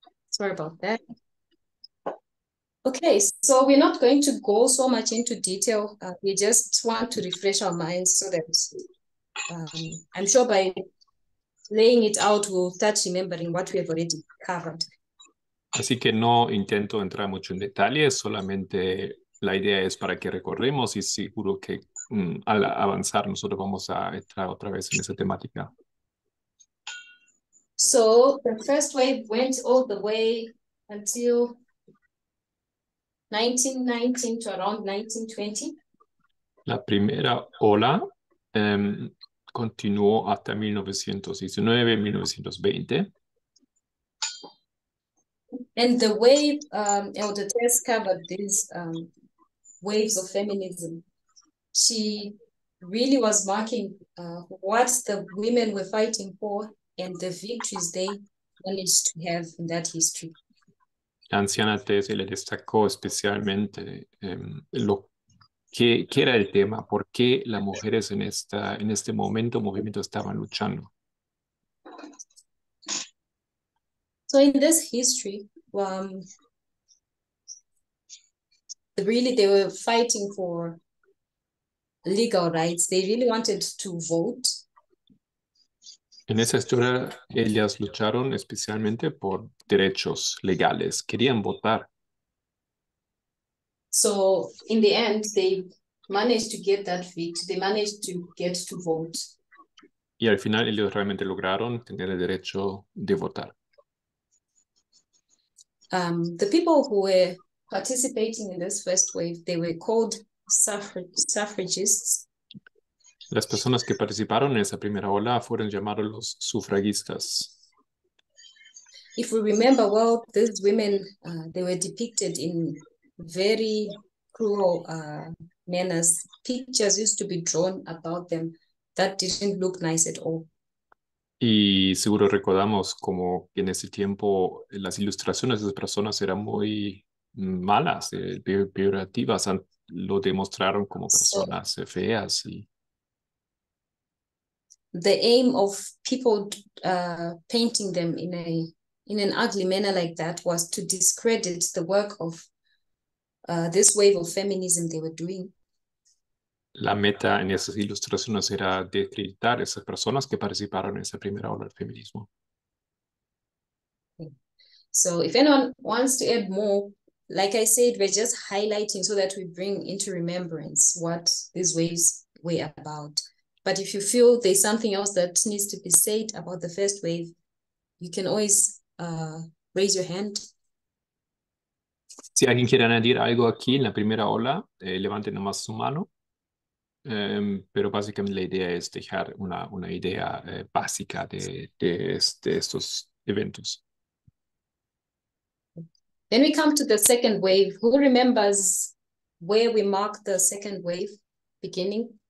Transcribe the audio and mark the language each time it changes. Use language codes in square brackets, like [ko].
[en] Sorry about that. Okay, so we're not going to go so much into detail. We just want to refresh our minds so that I'm sure by laying it out, we'll start remembering what we have already covered. [es] Así que no intento entrar mucho en detalles, solamente la idea es para que recordemos y seguro que al avanzar nosotros vamos a entrar otra vez en esa temática. [en] So, the first wave went all the way until 1919 to around 1920. [es] La primera ola continuó hasta 1919-1920. [en] And the wave, Elder Tess covered these waves of feminism. She really was marking what the women were fighting for and the victories they managed to have in that history. [es] La anciana Tess le destacó especialmente lo que era el tema, por qué las mujeres en este momento, movimiento, estaban luchando. [en] So in this history, really they were fighting for legal rights. They really wanted to vote. [es] En esa historia, ellas lucharon especialmente por derechos legales. Querían votar. [en] So, in the end, they managed to get that victory. They managed to get to vote. [es] Y al final, ellos realmente lograron tener el derecho de votar. [en] The people who were participating in this first wave, they were called suffragists. [es] Las personas que participaron en esa primera ola fueron llamados los sufragistas. [en] If we remember well, these women, they were depicted in very cruel manners. Pictures used to be drawn about them that didn't look nice at all. [es] Y seguro recordamos como que en ese tiempo las ilustraciones de esas personas eran muy malas, peorativas. Lo demostraron como personas feas y... [en] The aim of people painting them in an ugly manner like that was to discredit the work of this wave of feminism they were doing. [es] La meta en esas ilustraciones era desacreditar esas personas que participaron en esa primera ola del feminismo. [en] So if anyone wants to add more, like I said, we're just highlighting so that we bring into remembrance what these waves were about. But if you feel there's something else that needs to be said about the first wave, you can always raise your hand. [es] Si alguien quiere añadir algo aquí en la primera ola, levante nomás su mano. Pero básicamente la idea es dejar una idea básica de estos eventos. [en] Then we come to the second wave. Who remembers where we mark the second wave beginning?